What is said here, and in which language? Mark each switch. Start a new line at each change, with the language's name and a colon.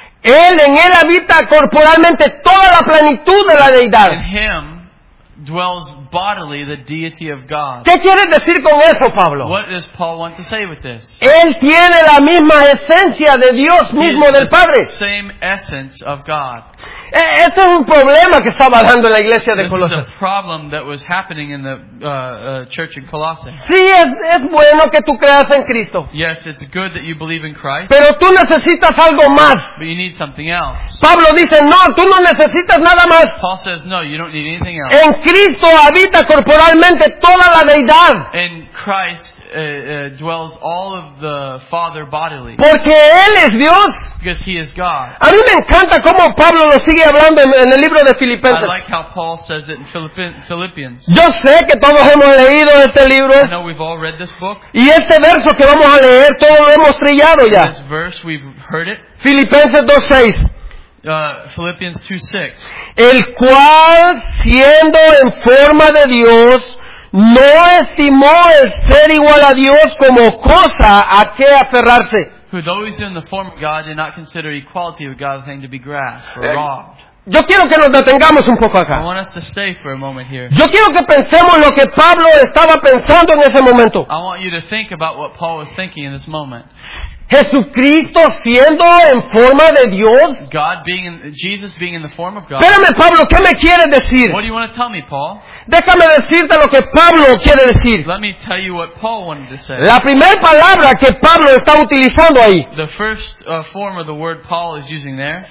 Spanish: Él, en Él habita corporalmente toda la plenitud de la Deidad.
English: In him dwells bodily the deity of God.
Spanish: ¿Qué quiere decir con eso, Pablo?
English: What does Paul want to say with this?
Spanish: Él tiene la misma esencia de Dios mismo, del Padre.
English: The same essence of God.
Spanish: Este es un problema que estaba dando la iglesia de Colosas.
English: This is a problem that was happening in the church in Colossae.
Spanish: Sí, es bueno que tú creas en Cristo.
English: Yes, it's good that you believe in Christ.
Spanish: Pero tú necesitas algo más.
English: But you need something else.
Spanish: Pablo dice, no, tú no necesitas nada más.
English: Paul says, no, you don't need anything else.
Spanish: En Cristo habita corporalmente toda la deidad.
English: In Christ dwells all of the Father bodily.
Spanish: Porque él es Dios.
English: Because he is God.
Spanish: A mí me encanta cómo Pablo lo sigue hablando en el libro de Filipenses.
English: I like how Paul says it in Philippians.
Spanish: Yo sé que todos hemos leído este libro.
English: I know we've all read this book.
Spanish: Y este verso que vamos a leer, todos lo hemos trillado ya.
English: This verse, we've heard it.
Spanish: Filipenses 2:6.
English: Philippians 2:6.
Spanish: El cual, siendo en forma de Dios, no estimó el ser igual a Dios como cosa a que aferrarse.
English: Who, though he's in the form of God, did not consider equality of God a thing to be grasped or robbed.
Spanish: Yo quiero que nos detengamos un poco acá.
English: I want us to stay for a moment here.
Spanish: Yo quiero que pensemos lo que Pablo estaba pensando en ese momento.
English: I want you to think about what Paul was thinking in this moment.
Spanish: Jesucristo siendo en forma de Dios.
English: God being in, Jesus being in the form of God.
Spanish: Espérame, Pablo, ¿qué me quieres decir?
English: What do you want to tell me, Paul?
Spanish: Déjame decirte lo que Pablo quiere decir.
English: Let me tell you what Paul wanted to say.
Spanish: La primera palabra que Pablo está utilizando ahí.
English: The first form of the word Paul is using there.